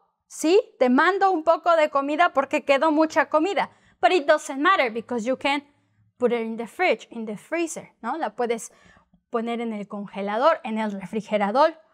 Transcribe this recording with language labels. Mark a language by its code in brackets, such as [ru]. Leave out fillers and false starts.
[es] Sí, te mando un poco de comida porque quedó mucha comida. [en] But it doesn't matter because you can put it in the fridge, in the freezer, ¿no? [es] La puedes poner en el congelador, en el refrigerador.